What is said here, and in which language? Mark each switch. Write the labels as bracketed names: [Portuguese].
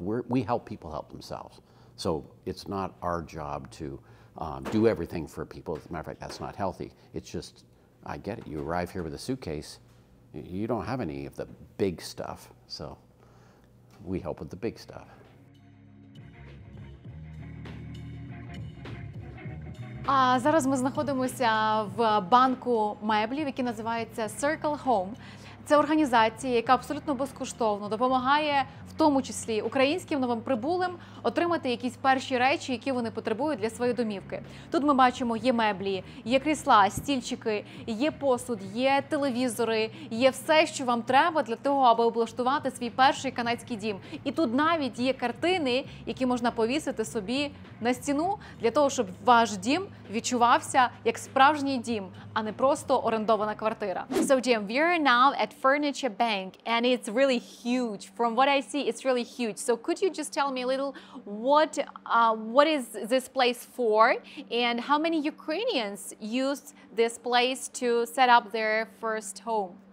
[English] We help people help themselves. So it's not our job to do everything for people. As a matter of fact, that's not healthy. It's just, I get it. You arrive here with a suitcase. You don't have any of the big stuff, so we help with the big stuff. [Ukrainian] А зараз ми знаходимося в банку меблів, який називається Circle Home. Це організація, яка абсолютно безкоштовно допомагає в тому числі українським новим прибулим отримати якісь перші речі, які вони потребують для своєї домівки. Тут ми бачимо, є меблі, є крісла, стільчики, є посуд, є телевізори, є все, що вам треба для того, аби облаштувати свій перший канадський дім. І тут навіть є картини, які можна повісити собі на стіну для того, щоб ваш дім відчувався як справжній дім, а не просто орендована квартира. [English] So, Jim, we're now at Furniture Bank, and it's really huge. From what I see, it's really huge. So, could you just tell me a little what is this place for, and how many Ukrainians use this place to set up their first home?